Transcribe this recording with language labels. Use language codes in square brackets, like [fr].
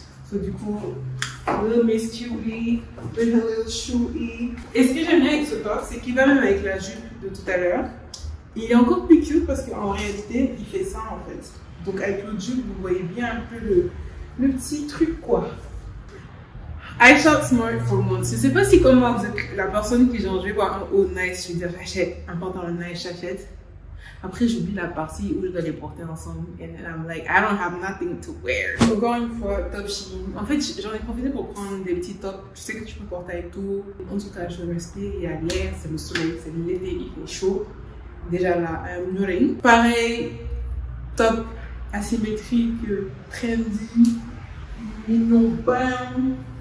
[en] So, [fr] du coup, [en] little Miss Cutie, with a little shoey. [fr] Et ce que j'aime bien avec ce top, c'est qu'il va même avec la jupe de tout à l'heure. Il est encore plus cute parce qu'en réalité, il fait ça en fait. Donc, avec le jupe, vous voyez bien un peu le petit truc quoi. [en] I shop smart for months. [fr] Je ne sais pas si comme moi, vous êtes la personne qui genre, je vais voir un haut nice, je vais dire j'achète un pantalon nice, j'achète. Après, j'oublie la partie où je dois les porter ensemble. [en] And then I'm like, I don't have nothing to wear. [fr] Encore une fois, Top Shein. En fait, j'en ai profité pour prendre des petits tops. Je sais que tu peux porter avec tout. En tout cas, je respire, il y a l'air, c'est le soleil, c'est l'été, il fait chaud. Déjà là, I'm nourrie. Pareil, top asymétrique, trendy, mignon, bam.